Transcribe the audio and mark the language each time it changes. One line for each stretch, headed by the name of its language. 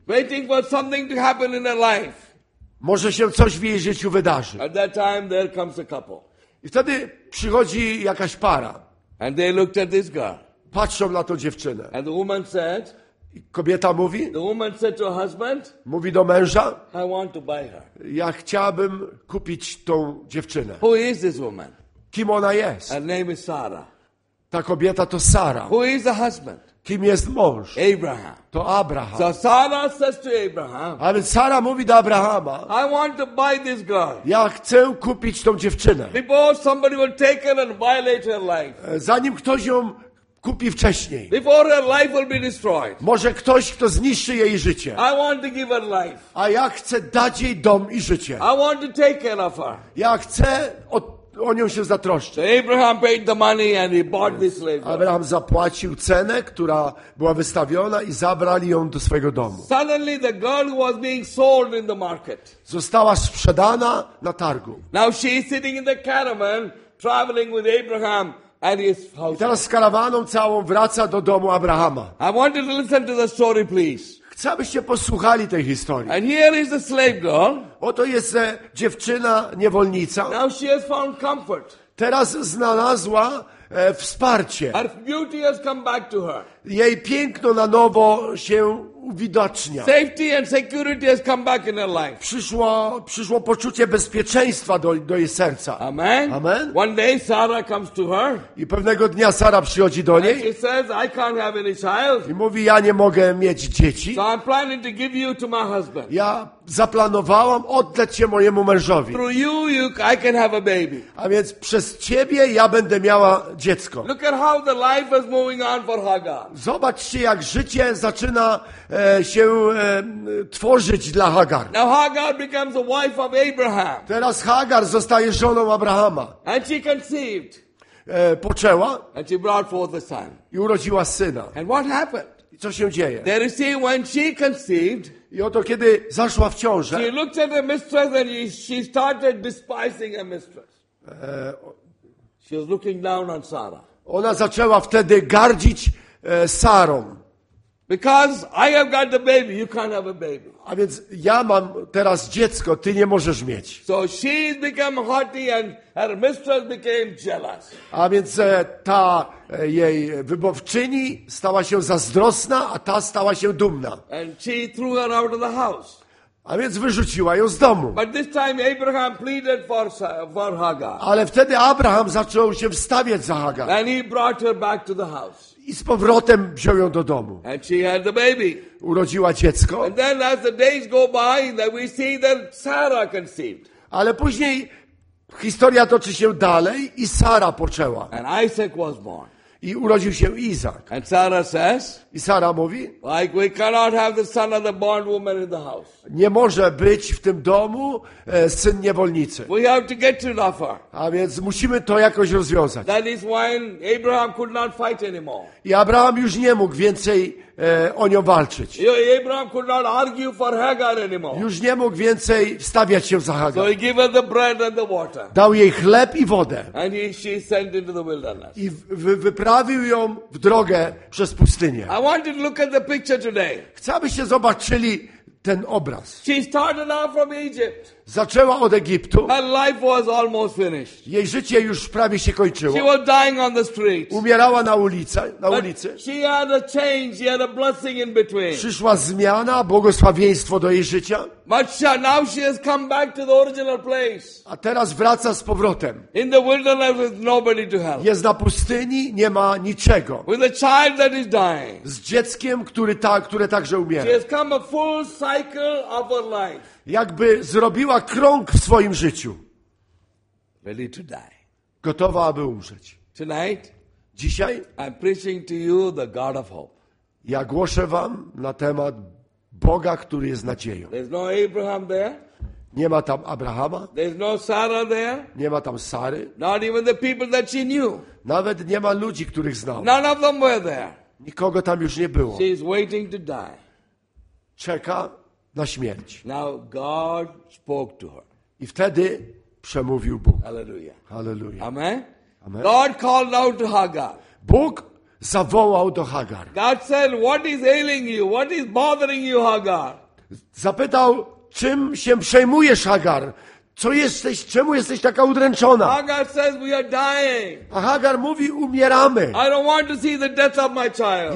English: Waiting for something to happen in her life.
Polish: Może się coś w jej życiu wydarzy.
English: At that time, there comes a couple.
Polish: I wtedy przychodzi jakaś para.
English: And they looked at this girl.
Polish: Patrzą na tą dziewczynę.
English: And the woman said,
Polish: i kobieta mówi,
English: the woman said to her husband,
Polish: mówi do męża,
English: I want to buy her.
Polish: Ja chciałabym kupić tą dziewczynę.
English: Who is this woman?
Polish: Kim ona jest?
English: Her name is Sarah.
Polish: Ta kobieta to Sara.
English: Who is the husband?
Polish: Kim jest mąż?
English: Abraham.
Polish: To Abraham.
English: So Sarah says to Abraham.
Polish: A więc Sara mówi do Abrahama.
English: I want to buy this girl.
Polish: Ja chcę kupić tą dziewczynę.
English: Before somebody will take her and violate her life.
Polish: Zanim ktoś ją kupi wcześniej.
English: Before her life will be destroyed.
Polish: Może ktoś, kto zniszczy jej życie.
English: I want to give her life.
Polish: A ja chcę dać jej dom i życie.
English: I want to take care of her.
Polish: Ja chcę o nią się zatroszczy.
English: Abraham paid the money and he bought this lady.
Polish: Abraham zapłacił cenę, która była wystawiona i zabrali ją do swojego domu.
English: Suddenly the girl was being sold in the market.
Polish: Została sprzedana na targu.
English: Now she is sitting in the caravan traveling with Abraham and his household.
Polish: I teraz z karawaną całą wraca do domu Abrahama.
English: I want you to listen to the story, please.
Polish: Chcę, abyście posłuchali tej historii.
English: And here is the slave girl.
Polish: Oto jest dziewczyna niewolnica.
English: Now she has found comfort.
Polish: Teraz znalazła wsparcie.
English: Her beauty has come back to her.
Polish: Jej piękno na nowo się uwidocznia.
English: Safety and security has come back in her life.
Polish: Przyszło poczucie bezpieczeństwa do jej serca.
English: Amen.
Polish: Amen.
English: One day Sarah comes to her.
Polish: I pewnego dnia Sara przychodzi do niej.
English: And she says, I can't have any child.
Polish: I mówi, ja nie mogę mieć dzieci.
English: So I'm planning to give you to my husband.
Polish: Ja zaplanowałam oddać cię mojemu mężowi.
English: Through you, I can have a baby.
Polish: A więc przez ciebie ja będę miała dziecko.
English: Look at how the life is moving on for Hagar.
Polish: Zobaczcie, jak życie zaczyna się tworzyć dla Hagar.
English: Now Hagar becomes the wife of Abraham.
Polish: Teraz Hagar zostaje żoną Abrahama.
English: And she conceived.
Polish: Poczęła.
English: And she brought forth the son.
Polish: I urodziła syna.
English: And what happened?
Polish: I co się dzieje?
English: There is see when she conceived.
Polish: I oto kiedy zaszła w ciążę.
English: She looked at her mistress and she started despising her mistress. She was looking down on Sarah.
Polish: Ona zaczęła wtedy gardzić Sarą.
English: Because I have got the baby, you can't have a baby.
Polish: A więc ja mam teraz dziecko, ty nie możesz mieć.
English: So she became haughty and her mistress became jealous.
Polish: A więc ta jej wybawczyni stała się zazdrosna, a ta stała się dumna.
English: And she threw her out of the house.
Polish: A więc wyrzuciła ją z domu.
English: But this time Abraham pleaded for Hagar.
Polish: Ale wtedy Abraham zaczął się wstawiać za Hagar.
English: And he brought her back to the house.
Polish: I z powrotem wziął ją do domu.
English: And she had the baby.
Polish: Urodziła dziecko.
English: And then as the days go by, then we see that Sarah conceived.
Polish: Ale później historia toczy się dalej i Sara poczęła.
English: And Isaac was born.
Polish: I urodził się Izak.
English: And Sarah says,
Polish: i Sara mówi,
English: like we cannot have the son of the bondwoman in the house.
Polish: Nie może być w tym domu syn niewolnicy.
English: We have to get to Rafa.
Polish: A więc musimy to jakoś rozwiązać.
English: That is why Abraham could not fight anymore.
Polish: I Abraham już nie mógł więcej o nią walczyć.
English: Abraham could not argue for Hagar anymore.
Polish: Już nie mógł więcej stawiać się za Hagar.
English: So he gave her the bread and the water.
Polish: Dał jej chleb i wodę.
English: And she sent into the wilderness.
Polish: I wyprawił ją w drogę przez pustynię.
English: I want you to look at the picture today.
Polish: Chcę, abyście zobaczyli ten obraz.
English: She started out from Egypt.
Polish: Zaczęła od Egiptu.
English: Her life was almost finished.
Polish: Jej życie już prawie się kończyło.
English: She was dying on the street.
Polish: Umierała na ulicy.
English: She had a change, she had a blessing in between.
Polish: Przyszła zmiana, błogosławieństwo do jej życia.
English: But now she has come back to the original place.
Polish: A teraz wraca z powrotem.
English: In the wilderness with nobody to help.
Polish: Jest na pustyni, nie ma niczego.
English: With a child that is dying.
Polish: Z dzieckiem, które także umiera.
English: She has come a full cycle of her life.
Polish: Jakby zrobiła krąg w swoim życiu.
English: Ready to die.
Polish: Gotowa, aby umrzeć.
English: Tonight,
Polish: dzisiaj
English: I'm preaching to you the God of hope.
Polish: Ja głoszę wam na temat Boga, który jest nadzieją.
English: There's no Abraham there.
Polish: Nie ma tam Abrahama.
English: There's no Sarah there.
Polish: Nie ma tam Sary.
English: Not even the people that she knew.
Polish: Nawet nie ma ludzi, których znał.
English: None of them were there.
Polish: Nikogo tam już nie było.
English: She's waiting to die.
Polish: Czeka na śmierć.
English: Now God spoke to her.
Polish: I wtedy przemówił Bóg.
English: Hallelujah.
Polish: Hallelujah.
English: Amen.
Polish: Amen.
English: God called out to Hagar.
Polish: Bóg zawołał do Hagar.
English: God said, "What is ailing you? What is bothering you, Hagar?"
Polish: Zapytał, czym się przejmujesz, Hagar? Co jesteś, czemu jesteś taka udręczona?
English: Hagar says, "We are dying."
Polish: A Hagar mówi, umieramy.
English: I don't want to see the death of my child.